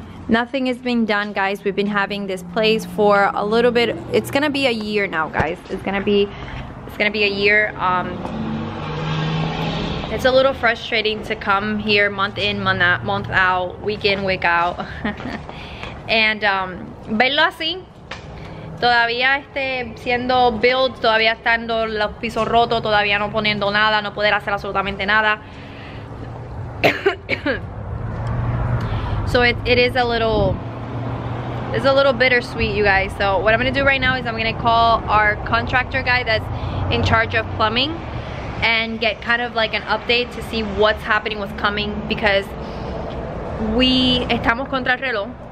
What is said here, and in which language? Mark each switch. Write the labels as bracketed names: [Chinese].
[English] Nothing has been done, guys. We've been having this place for a little bit. It's gonna be a year now, guys. It's gonna be a year. It's a little frustrating to come here month in, month out, week in, week out. [Spanish] And verlo así, todavía esté siendo built, todavía estando los pisos rotos, todavía no poniendo nada, no poder hacer absolutamente nada. [English] So it's a little bittersweet, you guys. So what I'm gonna do right now is I'm gonna call our contractor guy that's in charge of plumbing and get kind of like an update to see what's happening, what's coming, because we [Spanish] estamos contra reloj.